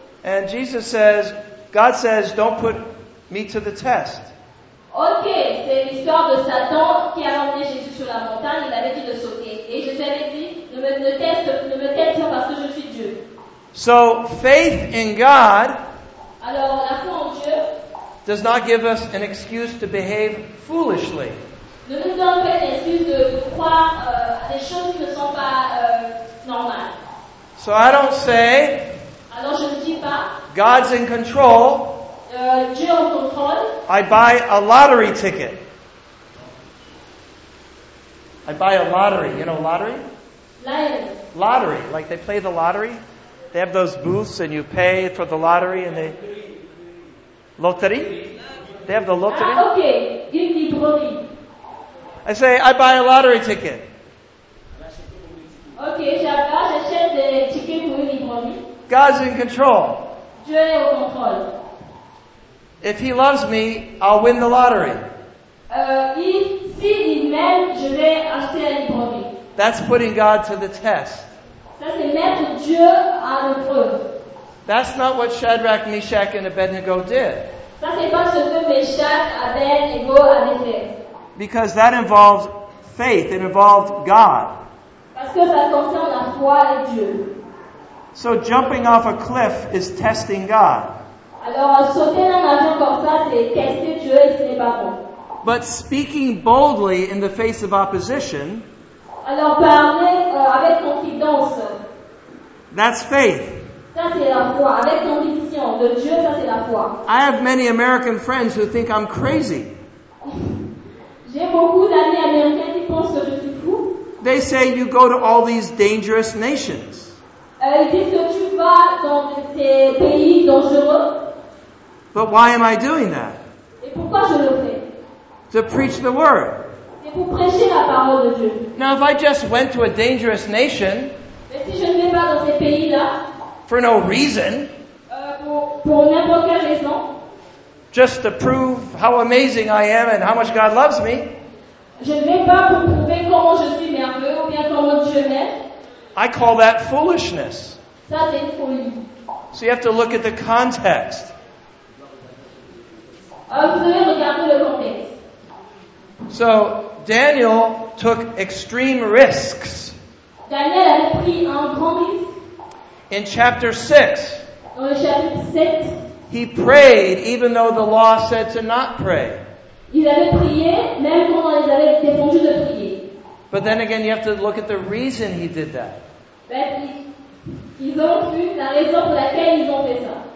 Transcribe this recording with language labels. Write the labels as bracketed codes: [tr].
[en] And Jesus says, God says, don't put me to the test. [fr] Ok, c'est l'histoire de Satan qui a emmené Jésus sur la montagne. Il avait dit de sauter. Et je t'avais dit, ne me teste pas parce que je suis Dieu. [en] So, faith in God. [fr] Alors, la foi en Dieu. [en] Does not give us an excuse to behave foolishly. [fr] Ne nous donne pas une excuse de croire à des choses qui ne sont pas normales. [en] So, I don't say. [fr] Alors, je ne dis pas. [en] God's in control. [fr] Dieu est en contrôle. [en] I buy a lottery ticket. I buy a lottery. You know lottery? Lions. Lottery, like they play the lottery. They have those booths and you pay for the lottery and they... Lottery? They have the lottery? Okay, give me drawing. I say, I buy a lottery ticket. [fr] Okay, j'achète des tickets pour une drawing. [en] God's in control. [fr] Dieu est au contrôle. [en] If he loves me, I'll win the lottery. [fr] Si il m'aime, je vais acheter une drawing. [en] That's putting God to the test. [fr] Ça, c'est mettre Dieu à l'épreuve. [en] That's not what Shadrach, Meshach, and Abednego did. [fr] Ça, c'est pas ce que Meshach, Abednego avaient fait. [en] Because that involved faith. It involved God. [fr] Parce que ça concerne la foi de Dieu. [en] So jumping off a cliff is testing God. [fr] Alors, sauter d'un avion comme ça, c'est tester Dieu et ce n'est pas bon. [en] But speaking boldly in the face of opposition... [fr] Alors, parler avec confiance. [en] That's faith. [fr] Ça, c'est la foi. Avec conviction de Dieu, ça, c'est la foi. [en] I have many American friends who think I'm crazy. [fr] J'ai beaucoup d'amis américains qui pensent que je suis fou. [en] They say you go to all these dangerous nations. [fr] Ils disent que tu vas dans ces pays dangereux. [en] But why am I doing that? [fr] Et pourquoi je le fais? [en] To preach the word. [fr] Et pour prêcher la parole de Dieu. [en] Now, if I just went to a dangerous nation, [fr] mais si je ne vais pas dans ces pays-là, [en] for no reason, [fr] pour n'importe quelle raison, [en] just to prove how amazing I am and how much God loves me, [fr] je ne vais pas pour prouver comment je suis merveilleux ou bien comment Dieu m'aime. [en] I call that foolishness. [fr] Ça, c'est une folie. [en] So you have to look at the context. [fr] Vous devez regarder le contexte. [en] So Daniel took extreme risks. [fr] Daniel a pris un grand risque. [en] In chapter 6. [fr] Dans le chapitre 6. [en] He prayed even though the law said to not pray. [fr] Il avait prié même quand on les avait défendu de prier. [en] But then again, you have to look at the reason he did that. [fr] Ils ont vu la raison pour laquelle ils ont fait ça.